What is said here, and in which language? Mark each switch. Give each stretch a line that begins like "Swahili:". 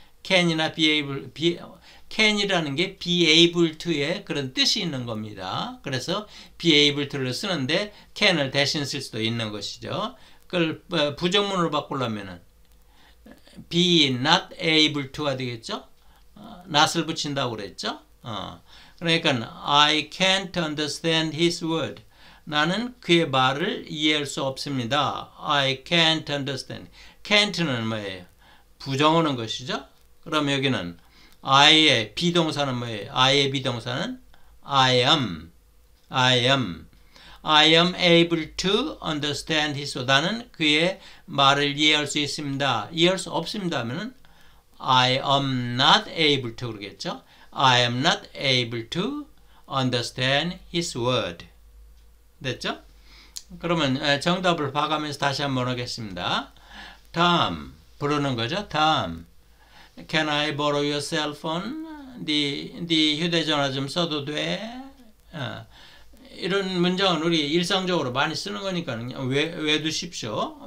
Korean: can이나 be able, can이라는 게 be able to의 그런 뜻이 있는 겁니다. 그래서 be able to를 쓰는데 can을 대신 쓸 수도 있는 것이죠. 그걸 부정문으로 바꾸려면은 be not able to가 되겠죠? not을 붙인다고 그랬죠? 그러니까
English: I can't understand his word.
Korean: 나는 그의 말을 이해할 수 없습니다.
English: I can't understand.
Korean: can't는 뭐예요? 부정하는 것이죠? 그럼 여기는 I의 비동사는 뭐예요? I의 비동사는
English: I am. I am. I am able to understand his word.
Korean: 나는 그의 말을 이해할 수 있습니다. 이해할 수 없습니다 하면은
English: I am not able to
Korean: 그러겠죠?
English: I am not able to understand his word.
Korean: 됐죠? 그러면 정답을 봐가면서 다시 한번 하겠습니다. 다음 부르는 거죠. 다음
English: Can I borrow your cell phone?
Korean: 네 휴대전화 좀 써도 돼? 이런 문장은 우리 일상적으로 많이 쓰는 거니까 외두십시오.